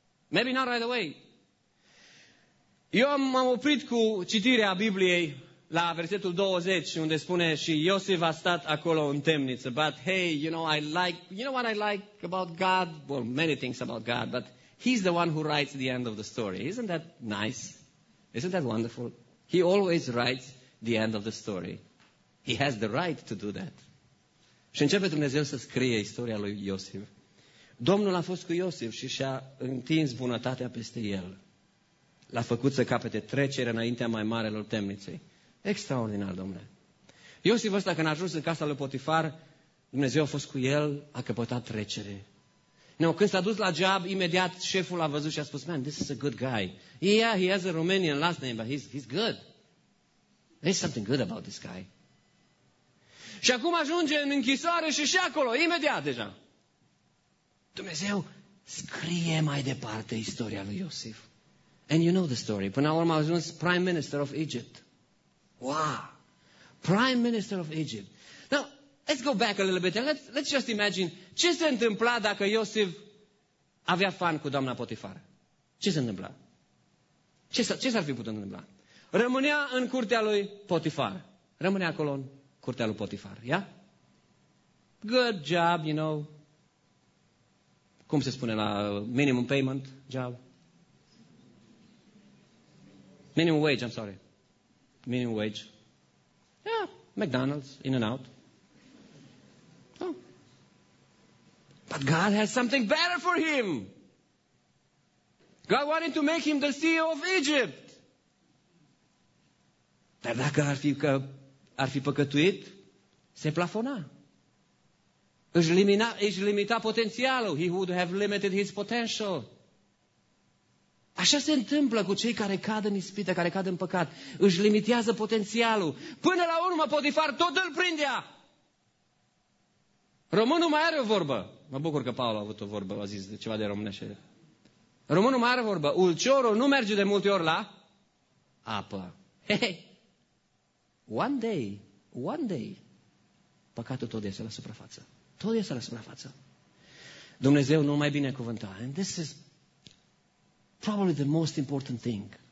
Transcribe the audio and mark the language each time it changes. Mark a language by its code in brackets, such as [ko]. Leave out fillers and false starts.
[en] Maybe not right away. [ro] Eu m-am oprit cu citirea Bibliei la versetul 20, unde spune și Iosif a stat acolo în temniță. [en] But hey, you know what I like about God? Well, many things about God, but he's the one who writes the end of the story. Isn't that nice? Isn't that wonderful? He always writes the end of the story. He has the right to do that. [ro] Și începe Dumnezeu să scrie istoria lui Iosif. Domnul a fost cu Iosif și și-a întins bunătatea peste el. L-a făcut să capete trecere înaintea mai marelor temniței. Extraordinar, domnule. Iosif ăsta, când a ajuns în casa lui Potifar, Dumnezeu a fost cu el, a căpătat trecere. No, când s-a dus la job, imediat șeful a văzut și a spus, [en] man, this is a good guy. Yeah, he has a Romanian last name, but he's good. There's something good about this guy. [ro] Și acum ajunge în închisoare și acolo, imediat deja. Dumnezeu scrie mai departe istoria lui Iosif. [en] And you know the story. [ro] Până la urmă a ajuns [en] prime minister of Egypt. Wow! Prime minister of Egypt. Now, let's go back a little bit and let's just imagine [ro] ce se întâmpla dacă Iosif avea fan cu doamna Potifar. Ce se întâmpla? Ce s-ar fi putut întâmpla? Rămânea în curtea lui Potifar. Rămânea acolo în curtea lui Potifar. [en] Yeah? Good job, you know. [ro] Cum se spune la [en] minimum payment job? Minimum wage. Yeah, McDonald's, In-N-Out. Oh. But God has something better for him. God wanted to make him the CEO of Egypt. [ro] Dar dacă ar fi păcătuit, se plafona. Își limita potențialul. [en] He would have limited his potential. [ro] Așa se întâmplă cu cei care cad în ispită, care cad în păcat. Își limitează potențialul. Până la urmă, Potifar tot îl prindea. Românul mai are o vorbă. Mă bucur că Paul a avut o vorbă, a zis ceva de românește. Românul mai are o vorbă. Ulciorul nu merge de multe ori la apă. Hey. [en] One day, [ro] păcatul tot iese la suprafață. Tot iese la suprafață. Dumnezeu nu mai binecuvânta. [en] And this is probably the most important thing.